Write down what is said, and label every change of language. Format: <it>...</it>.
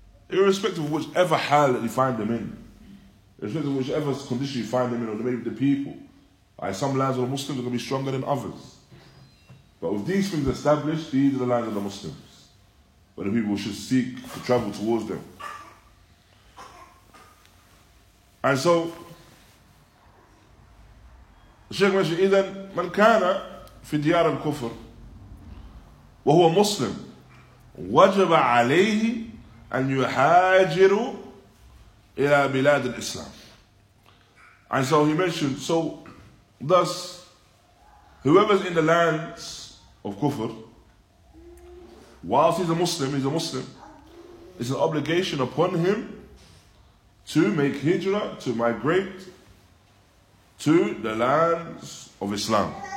<en>Irrespective of whichever hal that you find them in, irrespective of whichever condition you find them in, or maybe the people, some lands of the Muslims are going to be stronger than others. But with these things established, these are the lands of the Muslims, where the people should seek to travel towards them. And so, the Shaykh mentioned,</en> <ar>إِذَنْ مَنْ كَانَ فِي دِيَارَ الْكُفْرِ وهو مسلم وجب عليه أن يهاجر إلى بلاد الإسلام.</ar> <en>And so he mentioned, so thus, whoever's in the lands of Kufr, whilst he's a Muslim, it's an obligation upon him to make hijrah, to migrate to the lands of Islam.</en>